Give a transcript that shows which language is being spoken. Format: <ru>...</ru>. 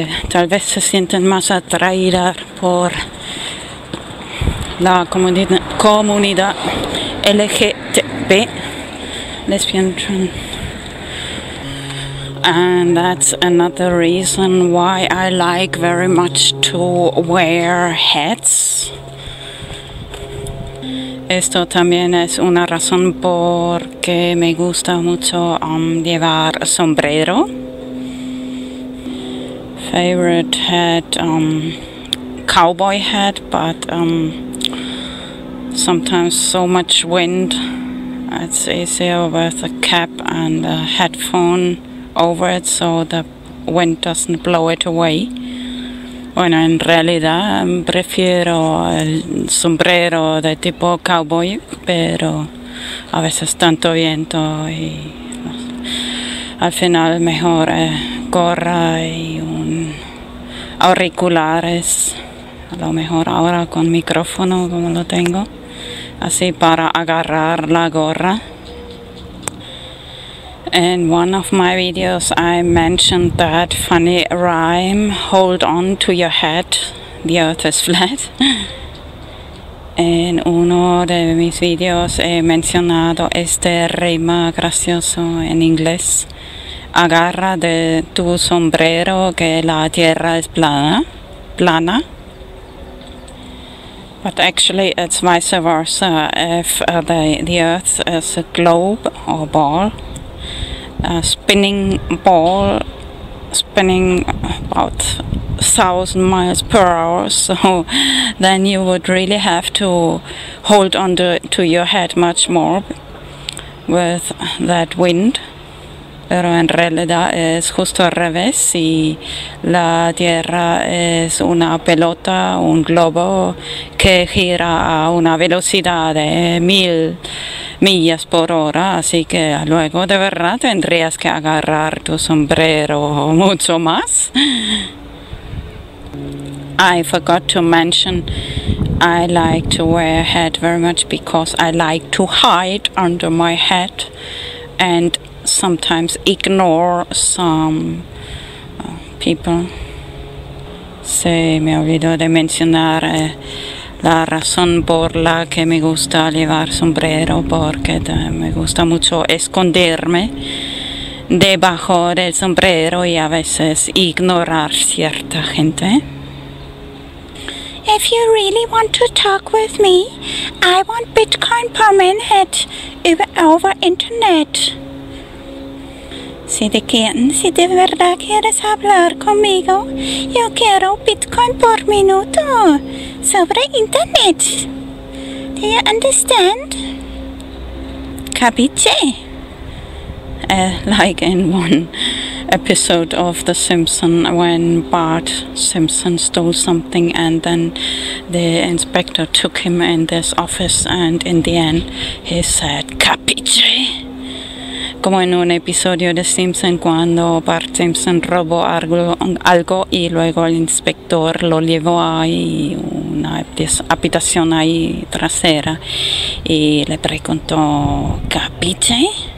<es>Tal vez se sienten más atraídas por la comunidad LGTB,</es> <en>lesbian, trans. And that's another reason why I like very much to wear hats.</en> <es>Esto también es una razón por que me gusta mucho llevar sombrero.</es> <en>Favorite hat, cowboy hat, but sometimes so much wind, it's easier with a cap and a headphone over it so the wind doesn't blow it away.</en> <es>Bueno, en realidad prefiero el sombrero de tipo cowboy, pero a veces tanto viento y al final mejor gorra y un auriculares, a lo mejor ahora con micrófono como lo tengo, así para agarrar la gorra.</es> <en>In one of my videos I mentioned that funny rhyme, hold on to your head, the earth is flat.</en> <es>En uno de mis videos he mencionado este rima gracioso en inglés, agarra de tu sombrero que la tierra es plana.</es> <en>But actually it's vice versa. If the earth is a globe or ball, a spinning ball spinning about 1,000 miles per hour, so then you would really have to hold on to your head much more with that wind.</en> <es>pero en realidad es justo al revés. Y la Tierra es una pelota, un globo que gira a una velocidad de 1000 millas por hora, así que luego de verdad tendrías que agarrar tu sombrero mucho más.</es> <en>I forgot to mention I like to wear a hat very much because I like to hide under my hat and sometimes ignore some people.</en> <es>Se me olvidó de mencionar la razón por la que me gusta llevar sombrero, porque me gusta mucho esconderme debajo del sombrero y a veces ignorar cierta gente.</es> <en>If you really want to talk with me, I want Bitcoin per minute over internet.</en> <es>Si te quieren, si de verdad quieres hablar conmigo, yo quiero Bitcoin por minuto sobre internet.</es> <en>Do you understand?</en> <it>Capiche?</it> <en>Like in one episode of The Simpsons when Bart Simpson stole something and then the inspector took him in this office and in the end he said, Capiche?</en> <es>Como en un episodio de Simpson cuando Bart Simpson robó algo y luego el inspector lo llevó a una habitación ahí trasera y le preguntó, ¿capiche?</es>